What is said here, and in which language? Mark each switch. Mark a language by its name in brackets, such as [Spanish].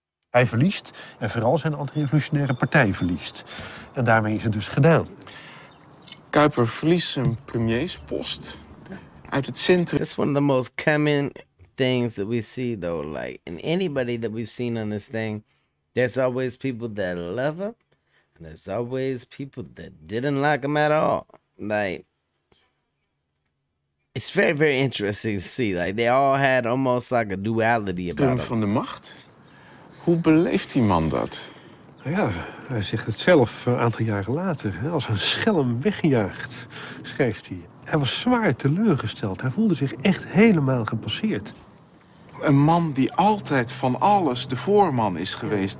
[Dutch] Hij verliest en vooral zijn antirevolutionaire partij verliest. En daarmee is het dus gedaan. Kuiper verliest zijn premierspost uit het centrum. [English] That's one of the most common things that we see, though. Like, in anybody that we've seen on this thing, there's always people that love him, and there's always people that didn't like him at all. Like, it's very, very interesting to see. Like, they all had almost like a duality about him. [Dutch] Van de macht? Hoe beleeft die man dat? Ja, hij zegt het zelf een aantal jaren later. Als een schelm weggejaagd, schrijft hij. Hij was zwaar teleurgesteld. Hij voelde zich echt helemaal gepasseerd. Een man die altijd van alles de voorman is geweest.